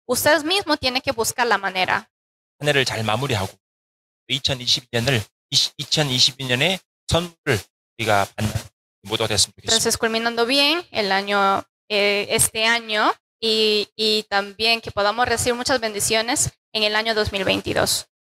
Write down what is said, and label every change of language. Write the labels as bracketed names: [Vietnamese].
[Spanish] Ustedes mismos tienen que buscar la manera. [Korean] 한 해를 잘 마무리하고 2022년에 선물을 우리가 받는 모두가 됐으면 좋겠습니다. [Spanish] Culminando bien el año este año y también que podamos recibir muchas bendiciones en el año 2022.